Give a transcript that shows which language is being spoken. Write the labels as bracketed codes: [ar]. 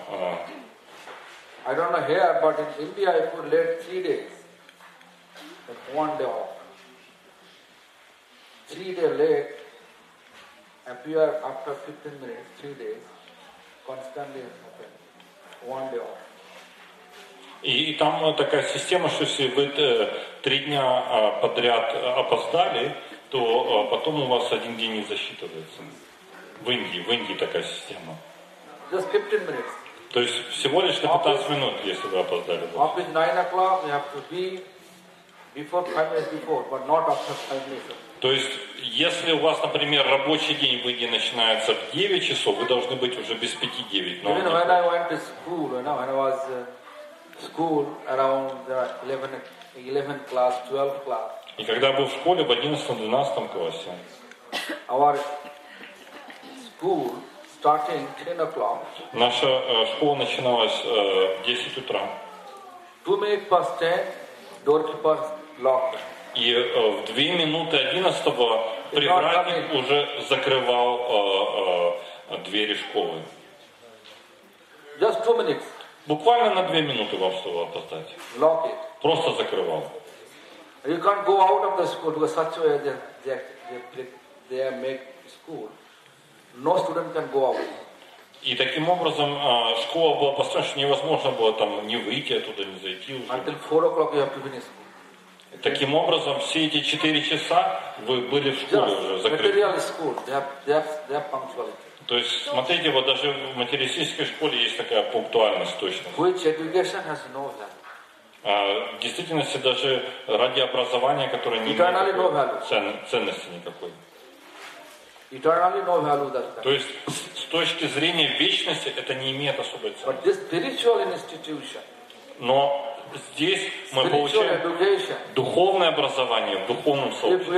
[en] I don't know here, but in India, if you let 3 days, like 1 day off, 3 day late, appear after 15 minutes, 3 days, constantly happen, 1 day off. [ru] И там такая система, что если вы 3 дня подряд опоздали, то потом у вас 1 день не засчитывается. В Индии такая система. [en] Just 15 minutes. [ru] То есть всего лишь на 15 минут, если вы опоздали. [en] Office 9 o'clock, you have to be before 5 minutes before, but not after 5 minutes. [ru] То есть, если у вас, например, рабочий день в Индии начинается в 9 часов, вы должны быть уже без 5-9. [en] Even when I went to school, you know, when I was school around the 11 class, 12 class. [ru] И когда был в школе в 11-12 классе. [en] Our school. Starting 10 o'clock. [ru] Наша школа начиналась в 10 утра. [en] 2 minutes past 10, doorkeeper locked. [ru] И в 2:11 привратник уже закрывал двери школы. [en] Just 2 minutes. [ru] Буквально на 2 минуты вам стоило опоздать. [en] Lock it. [ru] Просто закрывал. [en] You can't go out of the school because such way they make school. No student can go out. [ru] И таким образом школа была построена, что невозможно было там не выйти оттуда, не зайти уже. [en] Until 4 o'clock you have to finish. [ru] Таким образом, все эти 4 часа вы были в школе [en] just [ru] уже закрыты. [en] Material school, they have punctuality. [ru] То есть, смотрите, вот даже в материалистической школе есть такая пунктуальность, точность. [en] Which education has no value. [ru] В действительности, даже ради образования, которое не имеет [en] no value. [ru] Ценности никакой. [en] Eternally no value that. [ru] То есть с точки зрения вечности это не имеет особой ценности. [en] But this spiritual institution. [ru] Но здесь мы [en] spiritual [ru] получаем [en] education. [ru] Духовное образование в духовном сообществе.